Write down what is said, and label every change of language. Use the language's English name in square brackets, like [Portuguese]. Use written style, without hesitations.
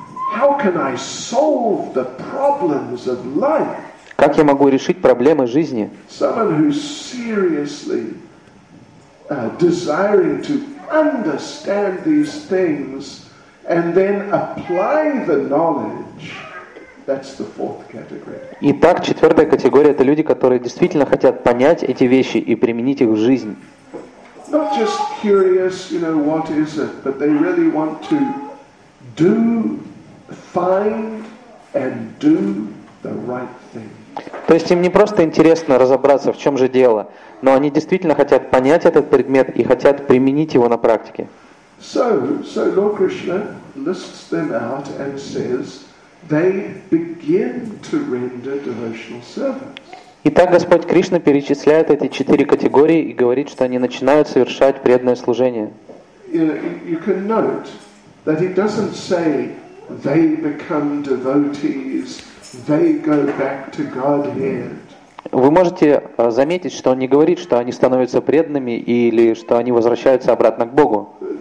[English] How can I solve the problems of life? [Russian] Как я могу решить проблемы жизни? [English] Someone who's seriously desiring to understand these things and then apply the knowledge. That's the fourth category. [Russian] Итак, четвертая категория — это люди, которые действительно хотят понять эти вещи и применить их в жизнь. [English] Not just curious, you know, what is it, but they really want to do, find and do the right thing. [Russian] То есть им не просто интересно разобраться, в чем же дело, но они действительно хотят понять этот предмет и хотят применить его на практике. [English] So Lord Krishna lists them out and says they begin to render devotional service. [Russian] Итак, Господь Кришна перечисляет эти четыре категории и говорит, что они начинают совершать преданное служение. [English] You can note that it doesn't say they become devotees, they go back to Godhead. [Russian] Вы можете заметить, что он не говорит, что они становятся преданными или что они возвращаются обратно к Богу.